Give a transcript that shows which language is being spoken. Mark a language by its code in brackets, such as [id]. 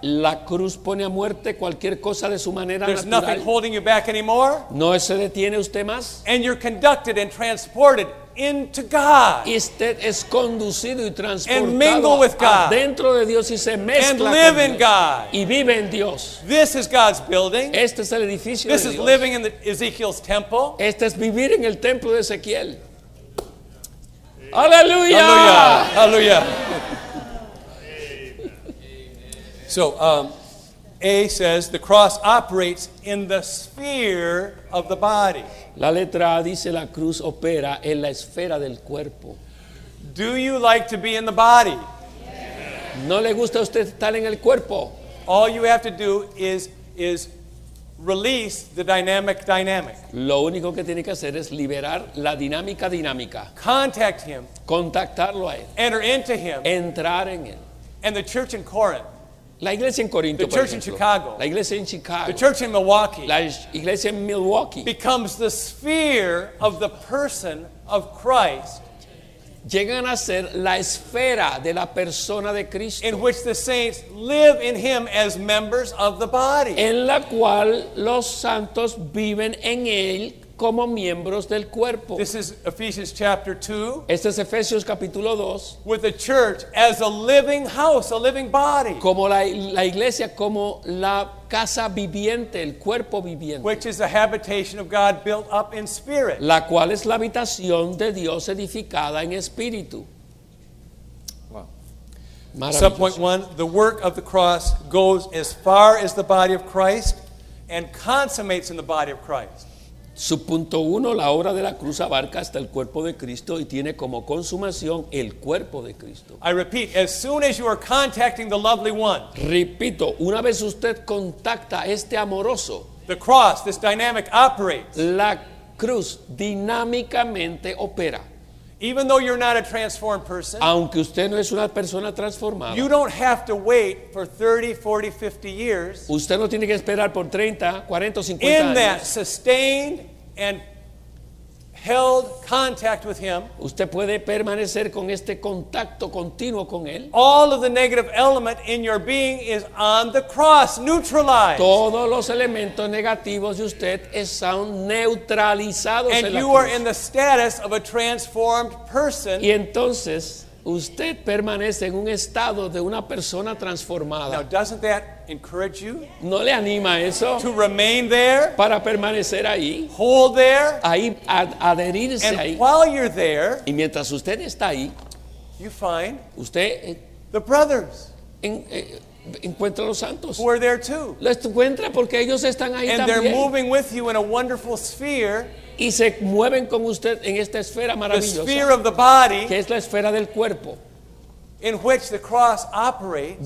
[es] La cruz pone a muerte cualquier cosa de su manera natural. [en] There's nothing holding you back anymore. [es] No se detiene usted más. [en] And you're conducted and transported into God. [es] Y usted es conducido y transportado. [en] And mingle with God. [es] Dentro de Dios y se mezcla con [en] Dios. And live in God. [es] Y vive en Dios. [en] This is God's building. [es] Este es el edificio de Dios. [en] This is living in the Ezekiel's temple. [es] Este es vivir en el templo de Ezequiel. [en] Hallelujah! Hallelujah! Hallelujah. So, A says the cross operates in the sphere of the body. [es] La letra A dice la cruz opera en la esfera del cuerpo. [en] Do you like to be in the body? [es] ¿No le gusta usted estar en el cuerpo? [en] All you have to do is release the dynamic dynamic. [es] Lo único que tiene que hacer es liberar la dinámica dinámica. [en] Contact him. [es] Contactarlo a él. [en] Enter into him. [es] Entrar en él. [en] And the church in Corinth. [es] La iglesia en Corinto, [en] the church [es] por ejemplo, [en] in Chicago. [es] La iglesia en Chicago. [en] The church in Milwaukee. [es] La iglesia en Milwaukee. [en] Becomes the sphere of the person of Christ. [es] Llegan a ser la esfera de la persona de Cristo. [en] In which the saints live in him as members of the body. [es] En la cual los santos viven en él como miembros del cuerpo. [en] This is Ephesians chapter 2. [es] Este es Efesios capítulo 2. [en] With the church as a living house, a living body. [es] Como la iglesia, como la casa viviente, el cuerpo viviente. [en] Which is the habitation of God built up in spirit. [es] La cual es la habitación de Dios edificada en espíritu. [en] Wow. Subpoint 1, the work of the cross goes as far as the body of Christ and consummates in the body of Christ. [es] Subpunto 1, la obra de la cruz abarca hasta el cuerpo de Cristo y tiene como consumación el cuerpo de Cristo. [en] I repeat, as soon as you are contacting the lovely one. [es] Repito, una vez usted contacta este amoroso. [en] The cross, this dynamic operates. [es] La cruz dinámicamente opera. [en] Even though you're not a transformed person. [es] Aunque usted no es una persona transformada. [en] You don't have to wait for 30, 40, 50 years. [es] Usted no tiene que esperar por 30, 40, 50 [en] in [es] años. [en] In that sustained and held contact with him. [es] Usted puede permanecer con este contacto continuo con él. [en] All of the negative element in your being is on the cross, neutralized. [es] Todos los elementos negativos de usted están neutralizados en la cruz. [en] And you are in the status of a transformed person. [es] Y entonces usted permanece en un estado de una persona transformada. [en] Now, doesn't that encourage you? [es] ¿No le anima eso? [en] To remain there. [es] Para permanecer ahí. [en] Hold there. [es] Ahí, adherirse [en] and [es] ahí. [en] And while you're there. [es] Y mientras usted está ahí. [en] You find. [es] Usted. [en] The brothers. [es] Encuentra a los santos. [en] Who are there too. [es] Los encuentra porque ellos están ahí [en] and [es] también. [en] And they're moving with you in a wonderful sphere. [es] Y se mueven con usted en esta esfera maravillosa. [en] The sphere of the body. [es] Que es la esfera del cuerpo. [en] In which the cross operates,